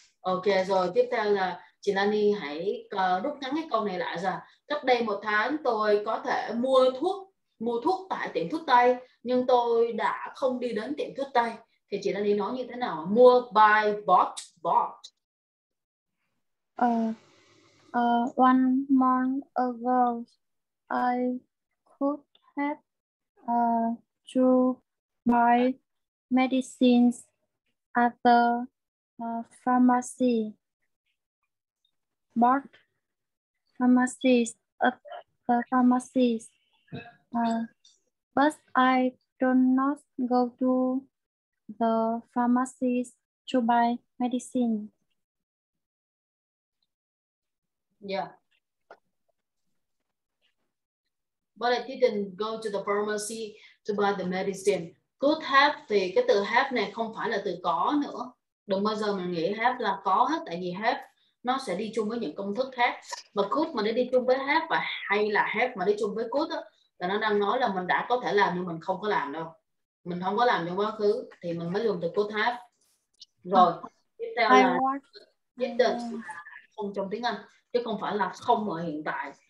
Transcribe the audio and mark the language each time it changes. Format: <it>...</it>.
<vi>Ok, rồi tiếp theo là chị Lani hãy rút ngắn cái câu này lại rằng cách đây một tháng tôi có thể mua thuốc tại tiệm thuốc tây, nhưng tôi đã không đi đến tiệm thuốc tây. Thì chị Lani nói như thế nào?</vi> <en>Mua, buy, bought, bought. One month ago, I could have to buy medicines at the pharmacy. But pharmacies at the pharmacies. But I do not go to the pharmacies to buy medicine. Yeah. But I didn't go to the pharmacy to buy the medicine.</en> <vi>Could have thì cái từ have này không phải là từ có nữa. Đừng bao giờ mình nghĩ have là có hết, tại vì have nó sẽ đi chung với những công thức khác. Mà could mà đi chung với have, và hay là have mà đi chung với could đó, là nó đang nói là mình đã có thể làm nhưng mình không có làm đâu. Mình không có làm trong quá khứ thì mình mới dùng từ could have. Rồi, tiếp theo là didn't, không trong tiếng Anh, chứ không phải là không ở hiện tại.</vi>